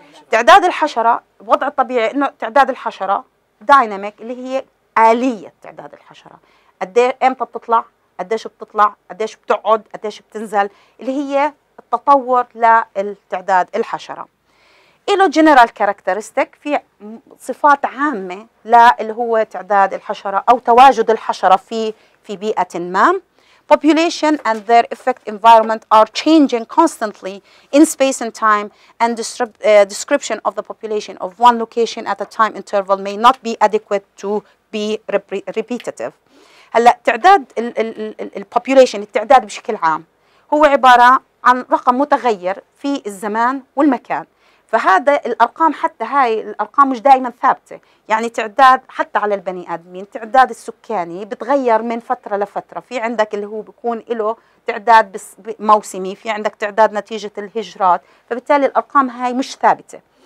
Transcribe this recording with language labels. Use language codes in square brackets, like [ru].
[ar] تعداد الحشره وضع الطبيعي انه تعداد الحشره دايناميك، اللي هي اليه تعداد الحشره، قد ايه امتى بتطلع، قديش بتطلع، قديش بتقعد، قديش بتنزل، اللي هي التطور للتعداد الحشره. إله جنرال كاركترستيك، في صفات عامة للي هو تعداد الحشرة أو تواجد الحشرة في بيئة ما. [en] Population and their effect environment are changing constantly in space and time, and description of the population of one location at a time interval may not be adequate to be repetitive. [ar] هلا تعداد ال population، التعداد بشكل عام هو عبارة عن رقم متغير في الزمان والمكان. فهذا الارقام، حتى هاي الارقام مش دائما ثابته، يعني تعداد حتى على البني ادمين، تعداد السكاني بتغير من فتره لفتره، في عندك اللي هو بيكون له تعداد موسمي، في عندك تعداد نتيجه الهجرات، فبالتالي الارقام هاي مش ثابته.